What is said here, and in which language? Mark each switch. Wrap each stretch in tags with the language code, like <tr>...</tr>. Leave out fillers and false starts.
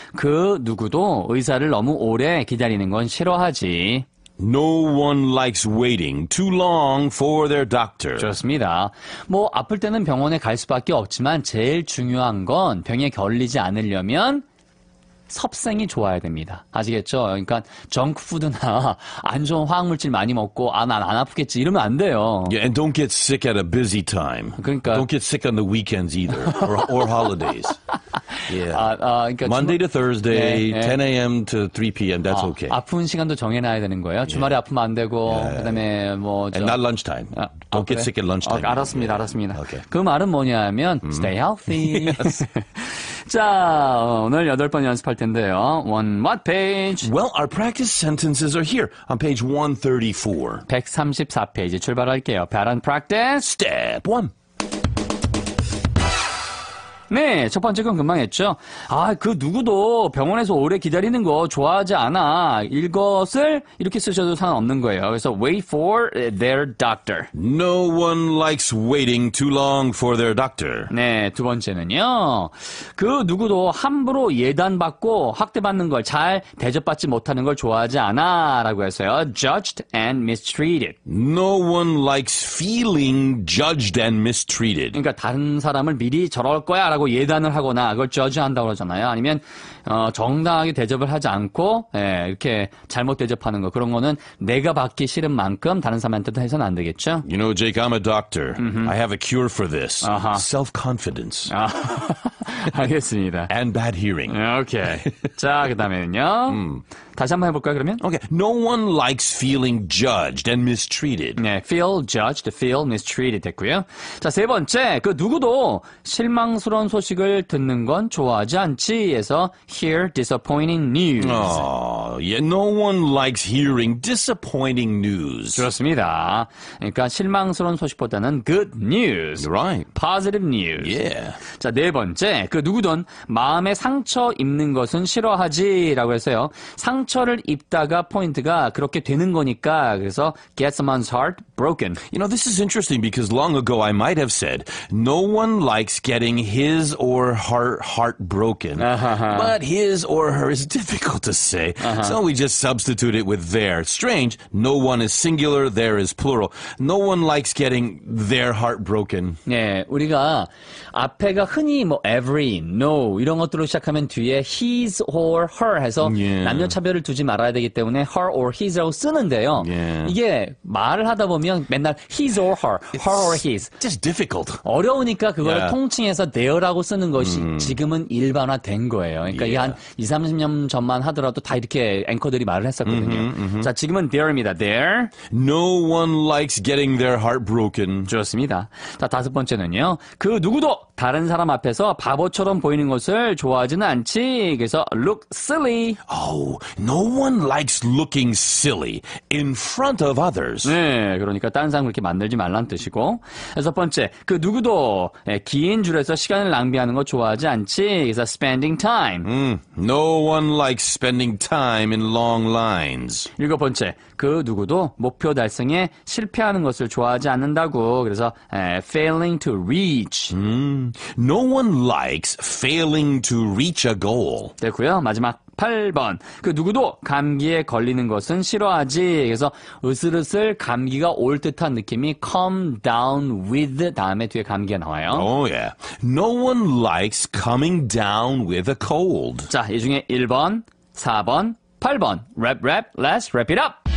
<ko>그 누구도 의사를 너무 오래 기다리는 건 싫어하지.</ko> <en>No one likes waiting too long for their doctor.</en> <ko>좋습니다. 뭐 아플 때는 병원에 갈 수밖에 없지만 제일 중요한 건 병에 걸리지 않으려면 섭생이 좋아야 됩니다. 아시겠죠? 그러니까 정크푸드나 안 좋은 화학물질 많이 먹고 아난안 아프겠지 이러면 안 돼요.</ko> <en>Yeah, and don't get sick at a busy time.</en> <ko>그러니까</ko> <en>Don't get sick on the weekends either, or holidays.</en> <ko>그러니까</ko> <en>Monday to Thursday,</en> <ko>예.</ko> <en>10 a.m. to 3 p.m. That's okay.</en> <ko>아픈 시간도 정해놔야 되는 거예요. 주말에 아프면 안 되고 그다음에 뭐</ko> <en>And</en> <ko>저</ko> <en>not lunchtime.</en> <ko>아,</ko> <en>Don't get</en> <ko>그래?</ko> <en>sick at lunchtime</en> <ko>알았습니다,</ko> <en>either.</en> <ko>알았습니다. 그 말은 뭐냐면</ko> <en>stay healthy. Yes.</en> <ko>자, 오늘 여덟 번 연습할 텐데요.</ko> <en>One what page? Well, our practice sentences are here on page 134.</en> <ko>134페이지 출발할게요.</ko> <en>Pattern practice. Step 1.</en> <ko>네, 첫 번째 건 금방 했죠. 아, 그 누구도 병원에서 오래 기다리는 거 좋아하지 않아. 이것을 이렇게 쓰셔도 상관없는 거예요.</ko> <en>그래서 wait for their doctor. No one likes waiting too long for their doctor.</en> <ko>네, 두 번째는요. 그 누구도 함부로 예단받고 학대받는 걸잘 대접받지 못하는 걸 좋아하지 않아라고 했어요.</ko> <en>Judged and mistreated. No one likes feeling judged and mistreated.</en> <ko>그러니까 다른 사람을 미리 저럴 거야라고 예단을 하거나 그걸 judge한다고 그러잖아요. 아니면 정당하게 대접을 하지 않고 예, 이렇게 잘못 대접하는 거 그런 거는 내가 받기 싫은 만큼 다른 사람한테도 해서는 안 되겠죠?</ko> <en>You know, Jake, I'm a doctor. I</en> <ko>음흠.</ko> <en>have a cure for this.</en> <ko>아하.</ko> <en>Self-confidence.</en> <ko>알겠습니다.</ko> <en>And bad hearing.</en> <ko>오케이. 자, 그다음에는요. 다시 한번 해볼까요, 그러면?</ko> <en>Okay. No one likes feeling judged and mistreated.</en> <ko>네,</ko> <en>feel judged, feel mistreated</en> <ko>됐고요. 자, 세 번째. 그 누구도 실망스러운 소식을 듣는 건 좋아하지 않지 해서</ko> <en>hear disappointing news. Oh, yeah. No one likes hearing disappointing news.</en> <ko>좋습니다. 그러니까 실망스러운 소식보다는</ko> <en>good news, You're right. positive news. Yeah.</en> <ko>자, 네 번째. 그 누구든 마음에 상처 입는 것은 싫어하지라고 해서요. 상처를 입다가 포인트가 그렇게 되는 거니까 그래서</ko> <en>get someone's heart broken. You know, this is interesting because long ago I might have said no one likes getting his or her heart broken,</en> <ko>아하하.</ko> <en>but his or her is difficult to say.</en> <ko>아하.</ko> <en>So we just substitute it with their. Strange, no one is singular, there is plural. No one likes getting their heart broken.</en> <ko>네, 우리가 앞에가 흔히 뭐 every, no 이런 것들로 시작하면 뒤에 his or her 해서 남녀 차별을 두지 말아야 되기 때문에 her or his라고 쓰는데요. 이게 말을 하다 보면 맨날 his or her, her or</ko> <en>It's his. just difficult.</en> <ko>어려우니까 그거를 통칭해서 their라고 쓰는 것이 지금은 일반화된 거예요. 그러니까 이한 2, 30년 전만 하더라도 다 이렇게 앵커들이 말을 했었거든요. 자, 지금은 their입니다.</ko> <en>their. No one likes getting their heart broken.</en> <ko>좋습니다. 자, 다섯 번째는요. 그 누구도 다른 사람 앞에서 바보처럼 보이는 것을 좋아하지는 않지.</ko> <en>그래서 look silly. Oh, no one likes looking silly in front of others.</en> <ko>네, 그러니까 딴 사람 그렇게 만들지 말란 뜻이고. 여섯 번째, 그 누구도 긴 줄에서 시간을 낭비하는 거 좋아하지 않지.</ko> <en>그래서 spending time. No one likes spending time in long lines.</en> <ko>일곱 번째, 그 누구도 목표 달성에 실패하는 것을 좋아하지 않는다고.</ko> <en>그래서 failing to reach. No one likes failing to reach a goal.</en> <ko>됐고요. 마지막 8번. 그 누구도 감기에 걸리는 것은 싫어하지. 그래서 으슬으슬 감기가 올 듯한 느낌이</ko> <en>come down with</en> <ko>다음에 뒤에 감기가 나와요.</ko> <en>Oh, yeah. No one likes coming down with a cold.</en> <ko>자, 이 중에 1번, 4번, 8번.</ko> <en>Wrap, wrap, let's wrap it up.</en>